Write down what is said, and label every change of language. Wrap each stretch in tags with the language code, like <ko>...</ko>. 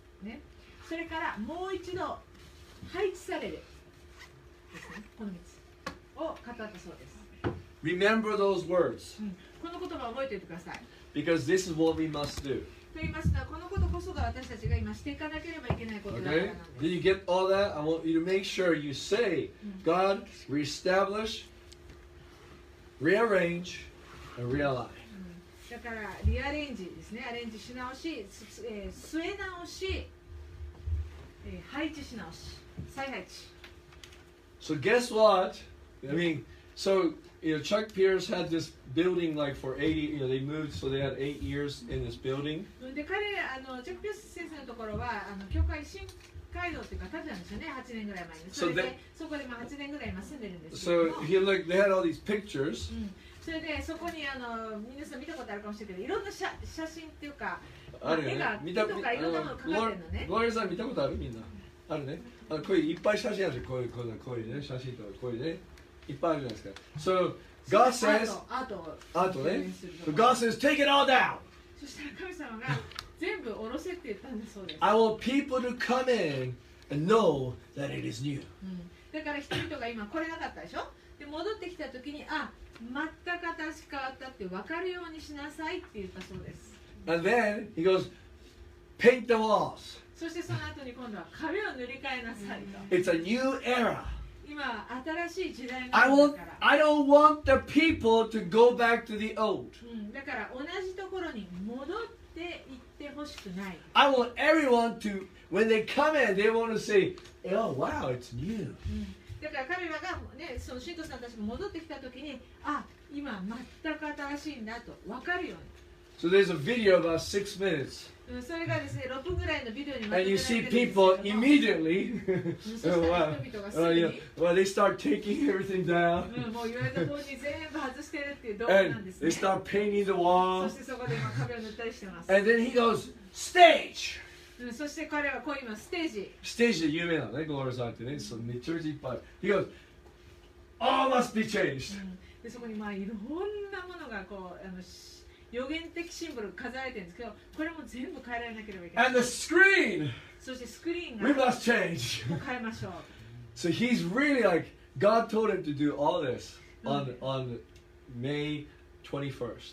<ja>ね、それからもう一度配置されるです、ね、この3つを語ったそうです。</ja> <en>Remember those words、</en> <ja>うん、この言葉を覚えておいてください。</ja> <en>Because this is what we must do.</en> <ja>と言いますのは、このことこそが私たちが今していかなければいけないことだからなんです。</ja> <en>Okay. Did you get all that? I want you to make sure you say、うん、God, reestablish, rearrange, and realign.</en> <ja>だからリアレンジですね。アレンジし直し、据え直し、配置し直し、再配置。</ja> <en>So guess what? I mean, so you know, Chuck Pierce had this building like for 80, you know, they moved, so they had 8 years in this building.</en> <ja>で、彼、あの、チャック・ピアース先生のところは、あの、教会新街道っていうか建てたんですよね、8年ぐらい前に。それで、そこで今8年ぐらい今住んでるんですけども。</ja> <en>So if you look, they had all these pictures.</en> <ja>それでそこにあの皆さん見たことあるかもしれないけど、いろんな写真っていうか、あるよね、絵が、絵とかいろんなものかかってるのね。ゴーリーさん見たことある？みんなあるね。あ、こういういっぱい写真あるじゃん。こういうこういうね、写真とかこういうね、いっぱいあるじゃないですか。</ja> <en>So God says,</en> <ja>アート</ja> <en>ね。So God says, take it all down。</en> <ja>そしたら神様が全部下ろせって言ったんだそうです。</ja> <en>I want people to come in and know that it is new、うん。</en> <ja>だから人々が今来れなかったでしょ。で戻ってきた時に、あ、全く新しく変わったって分かるようにしなさいって言ったそうです。</ja> <en>And then he goes, paint the walls.</en> <ja>そしてその後に今度は壁を塗り替えなさいと。</ja> <en>It's a new era.</en> <ja>今新しい時代が来たから。</ja> <en>I don't want the people to go back to the old.、</en> <ja>うん、だから同じところに戻って行ってほしくない。</ja> <en>I want everyone to, when they come in, they want to say, oh wow, it's new.、うん、</en> <ja>だから神様が、ね、その信徒さんたちが戻ってきたときに、あ、今全く新しいんだと分かるように。</ja> <en>So there's a video about 6 minutes.</en> <ja>それがですね、6分ぐらいのビデオにまとめられてるんですけども。</ja> <en>And you see people immediately, well, they start taking everything down.</en> <ja>もう言われた通り全部外してるっていう動画なんですね。</ja> <en>And they start painting the wall.</en> <ja>そしてそこで今壁を塗ったりしてます。</ja> <en>And then he goes, stage!</en> <ja>そして彼はこう言います。ステージ、ステージで有名なのね、ゴールさんってね、そのめちゃめちゃいっぱい。</ja> <en>He goes, all must be changed、</en> <ja>うん、でそこにまあいろんなものがこう、あの、予言的シンボル飾られてるんですけど、これも全部変えられなければいけない。</ja> <en>And the screen,</en> <ja>そしてスクリーンが</ja> <en>We must change,</en> <ja>もう変えましょう。</ja> <en>So he's really like, God told him to do all this on,、うん、on May 21st.</en>